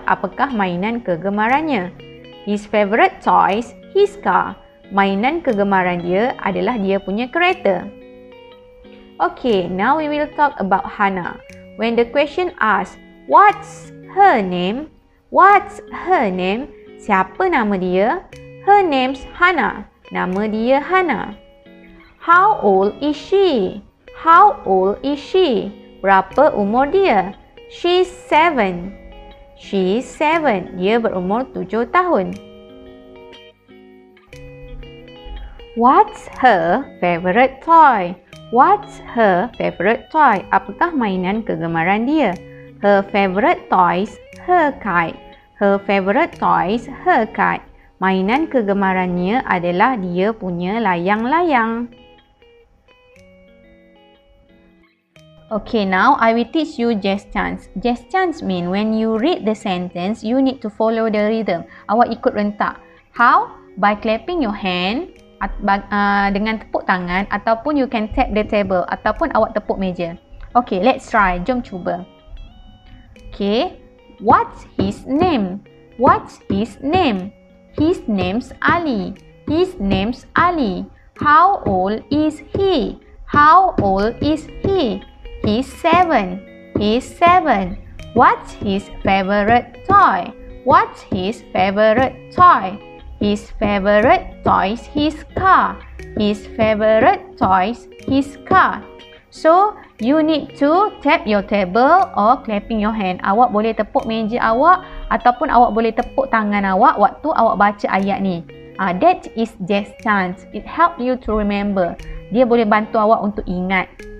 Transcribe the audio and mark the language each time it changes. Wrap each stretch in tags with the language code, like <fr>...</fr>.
<ms>Apakah mainan kegemarannya?</ms> <en>His favorite toy is his car.</en> <ms>Mainan kegemaran dia adalah dia punya kereta.</ms> <en>Okay, now we will talk about Hannah. When the question asks, what's her name? What's her name?</en> <ms>Siapa nama dia?</ms> <en>Her name's Hannah.</en> <ms>Nama dia Hannah.</ms> <en>How old is she? How old is she?</en> <ms>Berapa umur dia?</ms> <en>She's 7. She's 7.</en> <ms>Dia berumur 7 tahun.</ms> <en>What's her favorite toy? What's her favorite toy?</en> <ms>Apakah mainan kegemaran dia?</ms> <en>Her favorite toys, her kite. Her favorite toys, her kite.</en> <ms>Mainan kegemarannya adalah dia punya layang-layang.</ms> <en>Okay, now I will teach you jazz chants. Jazz chants mean when you read the sentence, you need to follow the rhythm.</en> <ms>Awak ikut rentak.</ms> <en>How? By clapping your hand,</en> <ms>dengan tepuk tangan, ataupun</ms> <en>you can tap the table,</en> <ms>ataupun awak tepuk meja.</ms> <en>Okay, let's try.</en> <ms>Jom cuba.</ms> <en>Okay, what's his name? What's his name? His name's Ali. His name's Ali. How old is he? How old is he? He's 7. He's 7. What's his favorite toy? What's his favorite toy? His favorite toy's his car. His favorite toy's his car. So, you need to tap your table or clapping your hand.</en> <ms>Awak boleh tepuk meja awak ataupun awak boleh tepuk tangan awak waktu awak baca ayat ni.</ms> <en>That is jazz chants. It help you to remember.</en> <ms>Dia boleh bantu awak untuk ingat.</ms>